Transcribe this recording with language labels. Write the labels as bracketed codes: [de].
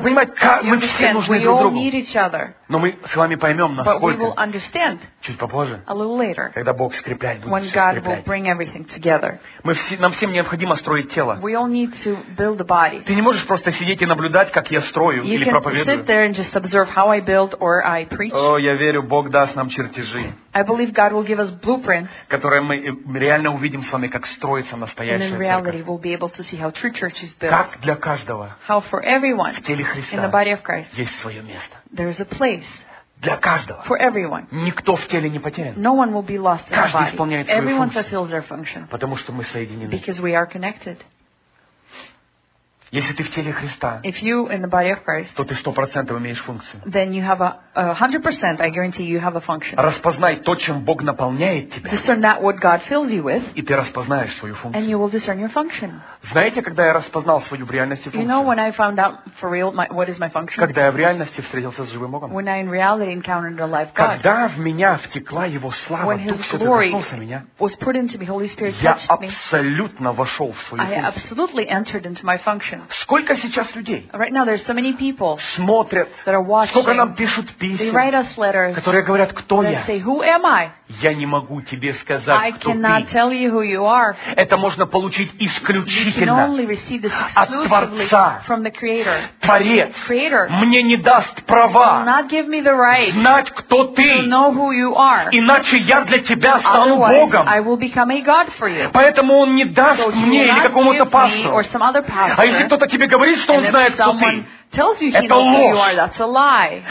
[ru] понимает, мы все нужны [en] we [ru] друг другу. Но мы с вами поймем, насколько [en] we will understand [ru] чуть попозже, [en] a little later, [ru] когда Бог скреплять будет, [en] when God will bring everything together. [ru] Нам всем необходимо строить тело. [en] We all need to build the body. [ru] Ты не можешь просто сидеть и наблюдать, как я строю [en] you [ru] или проповедую. [en] Sit there and just observe how I build or I preach. [ru] О, я верю, Бог даст нам чертежи. [en] I believe God will give us blueprints, [ru] которые мы реально увидим с вами, как строится настоящая [en] and in [ru] церковь. [en] Reality we'll be able to see how true church is built. [ru] Как для каждого, [en] how for everyone, [ru] в теле Христа, [en] in the body of Christ, [ru] есть свое место. [en] There is a place. [ru] Для каждого. [en] For everyone. [ru] Никто в теле не потерян. [en] No one will be lost in [ru] каждый [en] body. [ru] Исполняет свою [en] everyone [ru] функцию. [en] Fulfills their function. [ru] Потому что мы соединены. [en] Because we are connected. [ru] Если ты в теле Христа, [en] if you in the body of Christ, [ru] то ты 100% имеешь функцию. [en] Then you have a 100%, I guarantee you have a function. [ru] Распознай то, чем Бог наполняет тебя. [en] Discern that what God fills you with. [ru] И ты распознаешь свою функцию. [en] And you will discern your function. [ru] Знаете, когда я распознал свою в реальности функцию? [en] You know when I found out for real what is my function? [ru] Когда я в реальности встретился с живым Богом? [en] When I in reality encountered a live God. [ru] Когда в меня втекла Его слава, [en] when His glory was put into me, Holy Spirit touched me. [ru] Я абсолютно вошел в свою функцию. [en] I absolutely entered into my function. [ru] Сколько сейчас людей [en] right now, so many people [ru] смотрят, [en] that are watching, [ru] сколько нам пишут писем, которые говорят, кто я. [en] Say, who am I? [ru] Я не могу тебе сказать, [en] I [ru] кто [en] cannot [ru] ты. [en] Tell you who you are. [ru] Это можно получить исключительно [en] you can only receive this exclusively [ru] от Творца. [en] From the Creator. [ru] Творец [en] the Creator [ru] мне не даст права [en] will not give me the right [ru] знать, кто ты. [en] To know who you are. [ru] Иначе я для тебя [en] otherwise, [ru] стану Богом. [en] I will become a God for you. [ru] Поэтому Он не даст [en] so [ru] мне или какому-то пастору. [en] Or some other pastor, [ru] а если кто-то тебе говорит, что он знает, кто ты. [en] tells you he knows who you are, that's a lie.